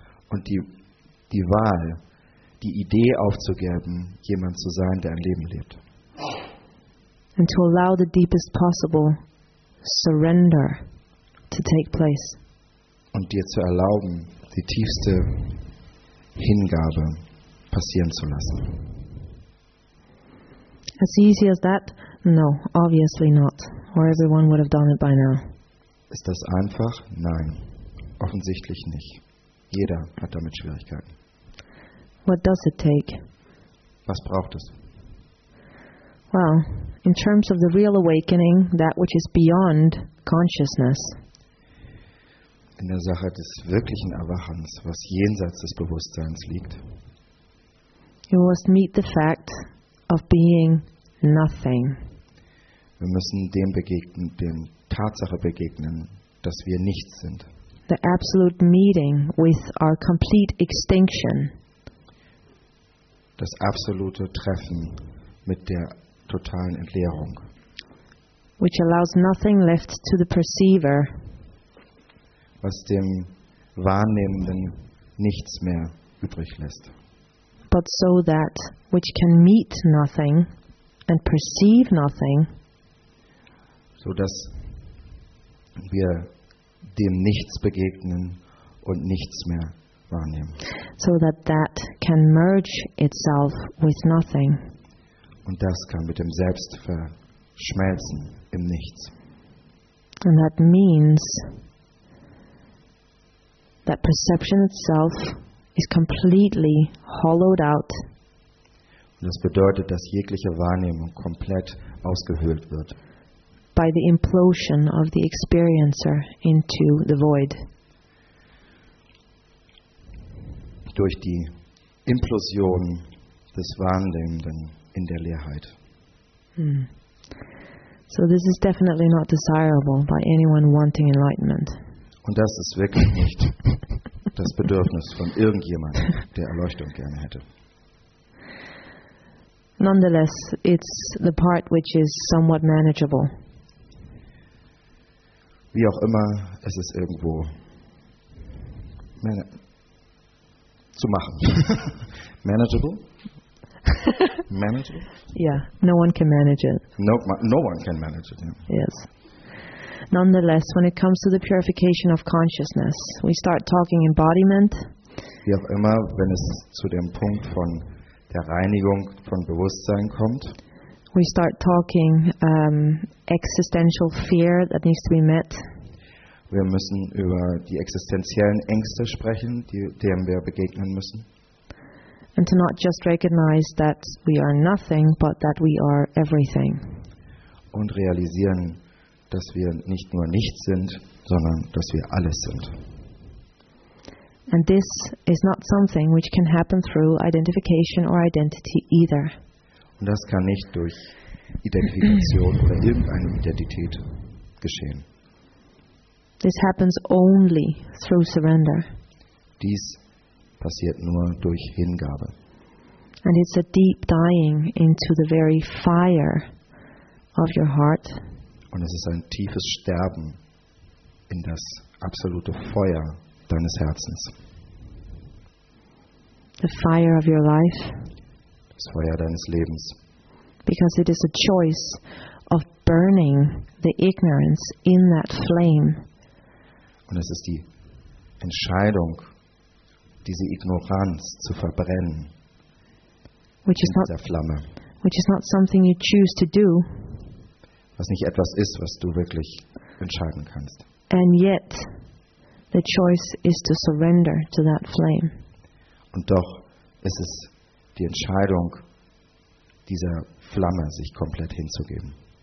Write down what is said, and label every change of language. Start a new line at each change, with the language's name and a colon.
German: Und die Wahl, die Idee aufzugeben, jemand zu sein, der ein Leben lebt.
English: And to allow the deepest possible surrender to take place.
German: Und dir zu erlauben, die tiefste Hingabe passieren zu lassen.
English: As easy as that? No, obviously not. Or everyone would have done it by now.
German: Ist das einfach? Nein, offensichtlich nicht. Jeder hat damit Schwierigkeiten.
English: What does it take?
German: Was braucht es?
English: Well, in terms of the real awakening, that which is beyond consciousness.
German: In der Sache des wirklichen Erwachens, was jenseits des Bewusstseins liegt.
English: You must meet the fact of being nothing.
German: Wir müssen dem begegnen, dem Tatsache begegnen, dass wir nichts sind.
English: The absolute meeting with our complete extinction.
German: Das absolute Treffen mit der totalen Entleerung.
English: Which allows nothing left to the perceiver.
German: Was dem Wahrnehmenden nichts mehr übrig lässt.
English: But so that which can meet nothing and perceive nothing.
German: So dass wir dem Nichts begegnen und nichts mehr wahrnehmen.
English: So that that can merge itself with nothing.
German: Und das kann mit dem Selbst verschmelzen im Nichts.
English: And that means that perception itself is completely hollowed out.
German: Und das bedeutet, dass jegliche Wahrnehmung komplett ausgehöhlt wird.
English: By the implosion of the experiencer into the void.
German: Durch die Implosion des Wahrnehmenden in der Leerheit. Hmm.
English: So this is definitely not desirable by anyone wanting enlightenment.
German: Und das ist wirklich nicht das Bedürfnis von irgendjemandem, der Erleuchtung gerne hätte.
English: Nonetheless, it's the part which is somewhat manageable.
German: Wie auch immer, es ist irgendwo zu machen.
English: Manageable? Manageable? Yeah, no one can manage it. No one can manage it. Yes. Nonetheless, when it comes to the purification of consciousness, we start talking embodiment.
German: Wie auch immer, wenn es zu dem Punkt von der Reinigung von Bewusstsein kommt,
English: we start talking existential fear that needs to be met.
German: Wir müssen über die existenziellen Ängste sprechen, denen wir begegnen müssen.
English: And to not just recognize that we are nothing, but that we are everything.
German: Und realisieren, dass wir nicht nur nichts sind, sondern dass wir alles sind.
English: And this is not something which can happen through identification or identity either.
German: Und das kann nicht durch Identifikation oder irgendeine Identität geschehen.
English: This happens only through surrender.
German: Dies passiert nur durch Hingabe.
English: And it's a deep dying into the very fire of your heart.
German: Und es ist ein tiefes Sterben in das absolute Feuer deines Herzens.
English: The fire of your life.
German: Das Feuer deines Lebens.
English: Because it is a choice of burning the ignorance in that flame.
German: Und es ist die Entscheidung, diese Ignoranz zu verbrennen
English: which
German: in dieser Flamme.
English: Which is not something you choose to do.
German: Was nicht etwas ist, was du wirklich entscheiden kannst.
English: And yet, the choice is to surrender to that flame.
German: Und doch ist es die Entscheidung, dieser Flamme sich komplett hinzugeben.